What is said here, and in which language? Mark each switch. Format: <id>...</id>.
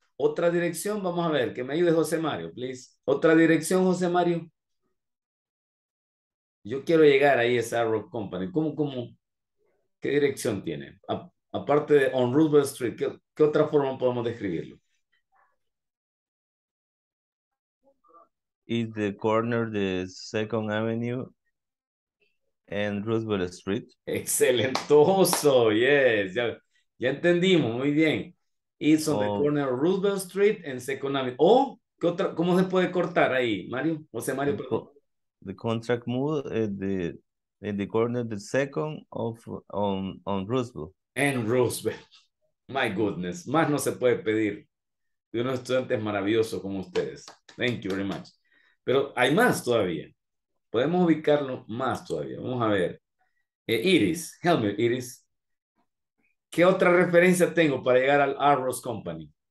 <es>Otra dirección, vamos a ver, que me ayude José Mario, please. Otra dirección, José Mario. Yo quiero llegar ahí a esa Rock Company. ¿Cómo? ¿Qué dirección tiene? Aparte de</es> <en>on Roosevelt Street,</en> <es>¿qué otra forma podemos describirlo?</es> <en>It's the corner of the Second Avenue and Roosevelt Street.</en> <es>¡Excelentoso! Yes, ya entendimos, muy bien.</es> <en>It's on the corner of Roosevelt Street and Second Avenue.</en> <es>Oh, ¿qué otra? ¿Cómo se puede cortar ahí, Mario? José Mario, perdón.</es> <en>The contract move in the corner of the second of on Roosevelt. And Roosevelt. My goodness.</en> <es>Más no se puede pedir de unos estudiantes maravillosos como ustedes.</es> <en>Thank you very much.</en> <es>Pero hay más todavía. Podemos ubicarlo más todavía. Vamos a ver.</es> <en>Iris, help me, Iris.</en> <es>¿Qué otra referencia tengo para llegar al Arrows Company?</es>